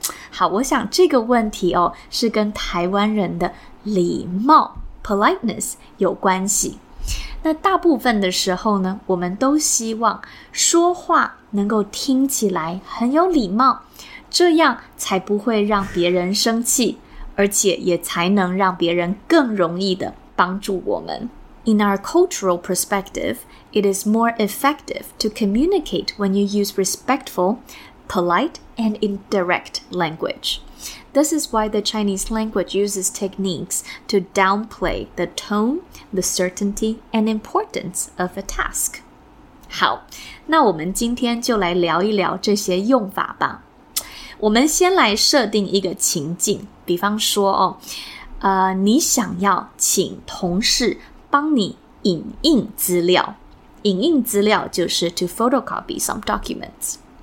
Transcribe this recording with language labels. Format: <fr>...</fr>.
<zh>好，我想这个问题哦，是跟台湾人的礼貌 politeness 有关系。那大部分的时候呢，我们都希望说话能够听起来很有礼貌，这样才不会让别人生气，而且也才能让别人更容易的帮助我们。</zh> <en>In our cultural perspective, it is more effective to communicate when you use respectful, polite, and indirect language. This is why the Chinese language uses techniques to downplay the tone, the certainty, and importance of a task.</en> <zh>好，那我们今天就来聊一聊这些用法吧。我们先来设定一个情境，比方说哦，你想要请同事帮你影印资料，影印资料就是</zh> <en>to photocopy some documents。</en>